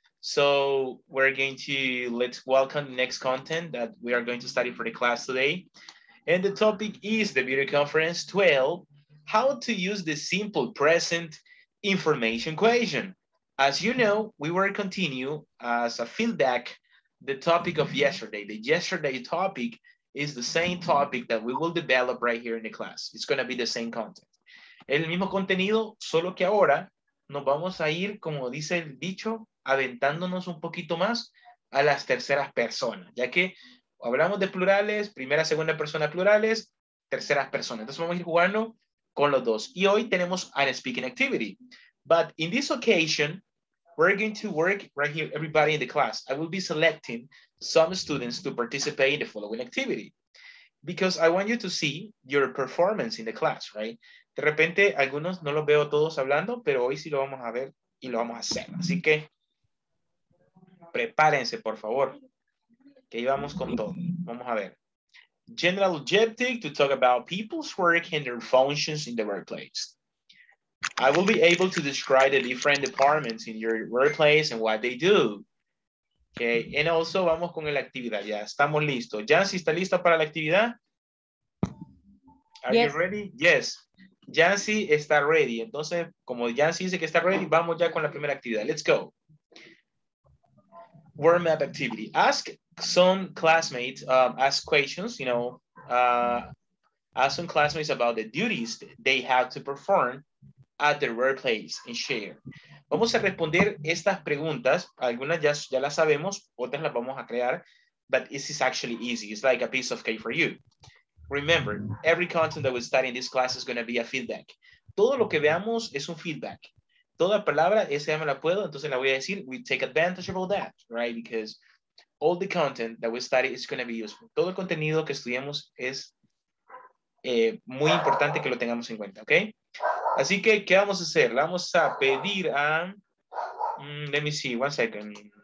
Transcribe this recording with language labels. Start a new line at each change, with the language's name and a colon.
English: So we're going to let's welcome the next content that we are going to study for the class today. And the topic is the video conference 12, how to use the simple present information question. As you know, we will continue as a feedback the topic of yesterday. The yesterday topic is the same topic that we will develop right here in the class. It's going to be the same content.
Spanish: El mismo contenido, solo que ahora nos vamos a ir, como dice el dicho, aventándonos un poquito más a las terceras personas, ya que hablamos de plurales, primera, segunda persona plurales, terceras personas. Entonces vamos a ir jugando con los dos.
English: Y hoy tenemos an speaking activity. But in this occasion, we're going to work right here, everybody in the class. I will be selecting some students to participate in the following activity because I want you to see your performance in the class, right?
Spanish: De repente, algunos no los veo todos hablando, pero hoy sí lo vamos a ver y lo vamos a hacer. Así que prepárense, por favor, que ahí vamos con todo. Vamos a ver.
English: General objective to talk about people's work and their functions in the workplace. I will be able to describe the different departments in your workplace and what they do. Okay, and also
Spanish: vamos con la actividad. Ya estamos listos. Yancy, ¿está lista para la actividad?
English: Are you ready? Yes.
Spanish: Yancy está ready. Entonces, como Yancy dice que está ready, vamos ya con la primera actividad.
English: Let's go. Warm up activity. Ask some classmates, ask questions, you know, ask some classmates about the duties they have to perform at their workplace and share.
Spanish: Vamos a responder estas preguntas. Algunas ya las sabemos, otras las vamos a crear,
English: but this is actually easy. It's like a piece of cake for you. Remember, every content that we study in this class is going to be a feedback.
Spanish: Todo lo que veamos es un feedback. Toda palabra, esa ya me la puedo, entonces la voy a decir,
English: we take advantage of all that, right? Because all the content that we study is going to be useful.
Spanish: Todo el contenido que estudiamos es muy importante que lo tengamos en cuenta, okay? Así que, ¿qué vamos a hacer? Vamos a pedir a,
English: let me see, one second.